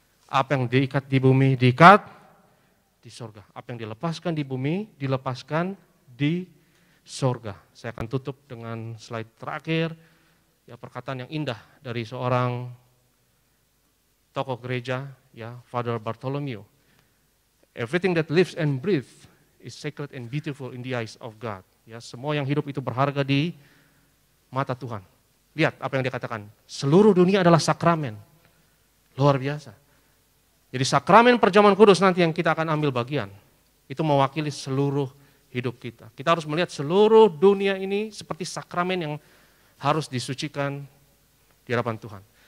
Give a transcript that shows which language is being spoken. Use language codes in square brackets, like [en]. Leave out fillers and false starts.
[id] Apa yang diikat di bumi, diikat di sorga. Apa yang dilepaskan di bumi, dilepaskan di sorga. Saya akan tutup dengan slide terakhir, ya, perkataan yang indah dari seorang tokoh gereja, ya, Father Bartholomew. [en] Everything that lives and breathes is sacred and beautiful in the eyes of God. [id] Ya, semua yang hidup itu berharga di mata Tuhan. Lihat apa yang dia katakan. Seluruh dunia adalah sakramen. Luar biasa. Jadi sakramen perjamuan kudus nanti yang kita akan ambil bagian, itu mewakili seluruh hidup kita. Kita harus melihat seluruh dunia ini seperti sakramen yang harus disucikan di hadapan Tuhan.